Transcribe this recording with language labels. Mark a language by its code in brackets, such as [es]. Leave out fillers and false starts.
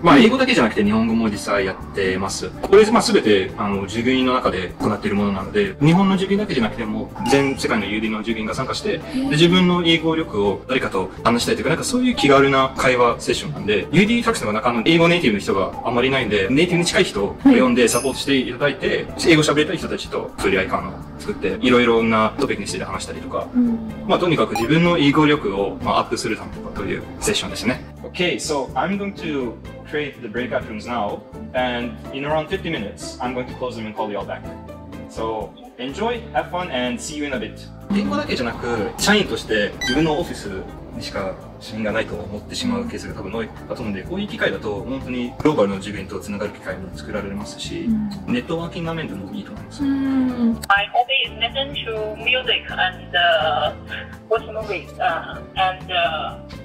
[ja] まあ、英語だけじゃなくて日本語も実際やってます。これ、まあ、すべて、従業員の中で行っているものなので、日本の従業員だけじゃなくても、全世界の UD の従業員が参加して、で、自分の英語力を誰かと話したいとか、なんかそういう気軽な会話セッションなんで、UD タクシーの中の英語ネイティブの人があまりいないんで、ネイティブに近い人を呼んでサポートしていただいて、はい、英語喋りたい人たちと触れ合い感を作って、いろいろなトピックについて話したりとか、まあ、とにかく自分の英語力を、まあ、アップするためとかというセッションですね。 [en] Okay, so I'm going to create the breakout rooms now, and in around 50 minutes, I'm going to close them and call you all back. So enjoy, have fun, and see you in a bit. [ja] 英語だけじゃなく、社員として自分のオフィスにしか社員がないと思ってしまうケースが多分多いかと思うので、こういう機会だと本当にグローバルの従業員とつながる機会も作られますし、ネットワーキング面でもいいと思います。 [en] My hobby is listen to music and watch movies, and yeah.